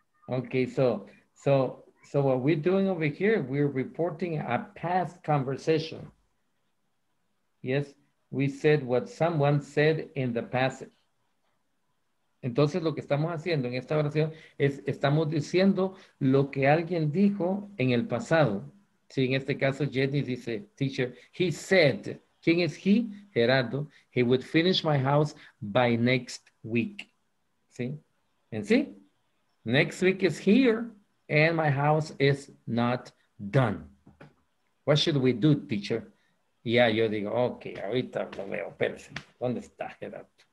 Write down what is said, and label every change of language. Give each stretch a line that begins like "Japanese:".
English: Okay, So what we're doing over here, we're reporting a past conversation. Yes, we said what someone said in the past.
Spanish: Entonces, lo que estamos haciendo en esta oración es, estamos diciendo lo que alguien dijo en el pasado. Sí, en este caso, Jenny dice, teacher,
English: he said,
Spanish: ¿quién es he?
English: Gerardo, he would finish my house by next week. Sí, and see, next week is here. And my house is not done. What should we do, teacher?
Spanish: Yeah, yo digo, okay, ahorita lo veo, espérense. ¿Dónde está Gerardo?